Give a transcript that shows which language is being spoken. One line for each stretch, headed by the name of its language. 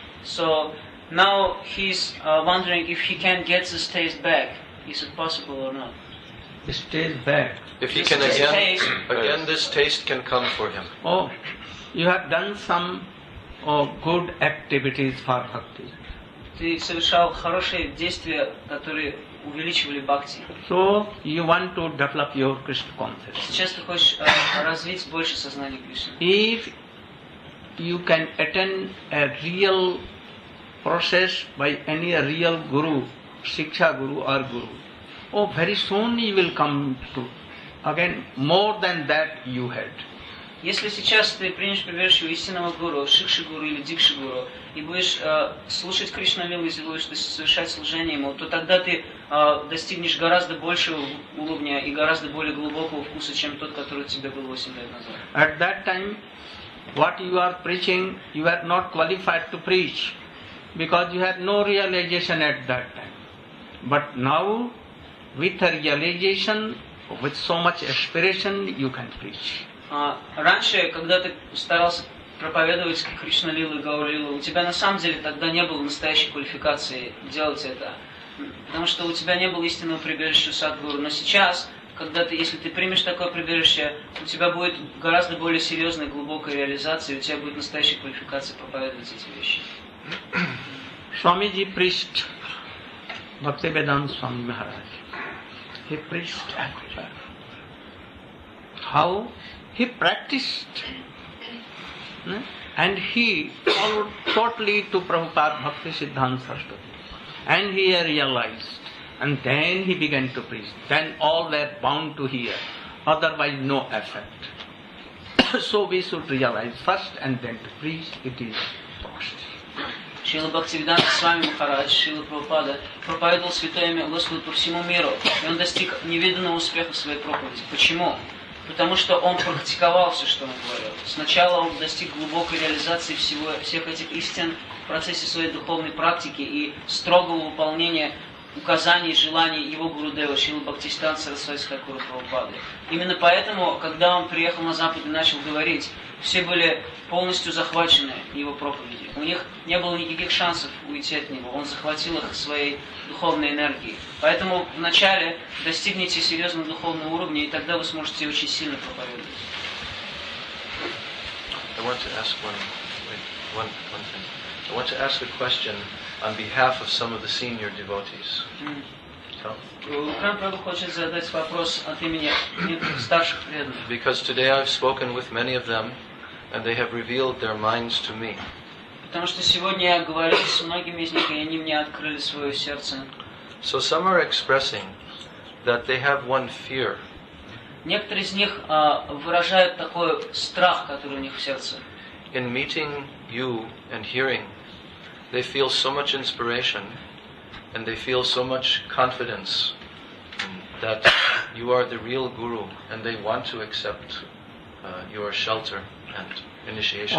English: So now he's wondering if he can get this taste back. Is it possible or not? This taste back. If he can again, this taste can come for him. Oh, you have done some good activities for bhakti.
Russian: Ты совершал хорошие действия, которые увеличивали бхакти.
English: So you want to develop your Krishna consciousness.
Russian: Сейчас ты хочешь развить больше сознания Кришны.
English: If you can attain a real process by any real guru, shiksha guru or guru, very soon you will come to again more than that you had.
Russian: Если сейчас ты примешь прибежище у истинного гуру, шикши гуру или дикши гуру, и будешь слушать Кришна Лилу, если будешь совершать служение ему, то тогда ты достигнешь гораздо большего уровня и гораздо более глубокого вкуса, чем тот, который у тебя был 8 лет назад.
English: At that time, what you are preaching, you are not qualified to preach, because you had no realization at that time. But now, with a realization, with so much aspiration, you can preach.
Russian: Раньше, когда ты старался проповедовать Кришна Лилу и Гаура Лилу, у тебя на самом деле тогда не было настоящей квалификации делать это. Потому что у тебя не было истинного прибежища Садгуру. Но сейчас, когда ты, если ты примешь такое прибежище, у тебя будет гораздо более серьезная и глубокая реализация, и у тебя будет настоящая квалификация проповедовать эти вещи.
English: Swamiji preached Bhaktivedanta Swami Maharaj. He preached everywhere. How? He practiced and he followed totally to Prabhupada Bhakti Siddhanta Saraswati. And he realized, and then he began to preach. Then all were bound to hear, otherwise no effect. So we should realize first and then to preach, it is process.
Russian: Шрила Бхактивиданта Свами Махарадж, Шрила Прабхупада, проповедовал святое имя Господа по всему миру, и он достиг невиданного успеха в своей проповеди. Почему? Потому что он практиковал все, что он говорил. Сначала он достиг глубокой реализации всего, всех этих истин в процессе своей духовной практики и строгого выполнения указаний и желаний его Гурудева, Шрилы Бхактисиддханты Сарасвати Тхакура Прабхупады. Именно поэтому, когда он приехал на Запад и начал говорить, все были полностью захвачены его проповедью. У них не было никаких шансов уйти от него. Он захватил их своей духовной энергией. Поэтому вначале достигните серьезного духовного уровня, и тогда вы сможете очень сильно проповедовать.
English: I want to ask one thing. I want to ask a question on behalf of some of the senior devotees.
Russian: Лукан Прабху хочет задать вопрос от имени старших преданных.
English: Because today I've spoken with many of them, and they have revealed their minds to me.
Russian: Потому что сегодня я говорил с многими из них, и они мне открыли свое сердце.
English: So some are expressing that they have one fear.
Russian: Некоторые из них выражают такой страх, который у них в сердце.
English: In meeting you and hearing, they feel so much inspiration, and they feel so much confidence that you are the real guru, and they want to accept your shelter and initiation.